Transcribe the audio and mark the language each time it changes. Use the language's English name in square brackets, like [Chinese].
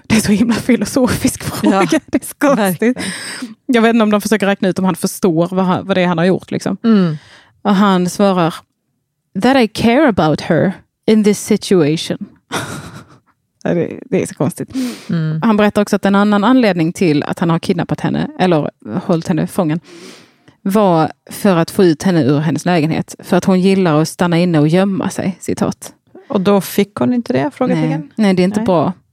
[Swedish] Det är så himla filosofisk fråga. Ja. Det är så konstigt. Jag vet inte om de försöker räkna ut om han förstår vad det är han har gjort. Liksom. Mm. Och han svarar, [English] that I care about her in this situation. [Swedish] Det är så konstigt. Mm. Han berättar också att en annan anledning till att han har kidnappat henne, eller hållit henne fången, var för att få ut henne ur hennes lägenhet. För att hon gillar att stanna inne och gömma sig, citat. Och då fick hon inte det, frågade jag. Nej, det är inte bra.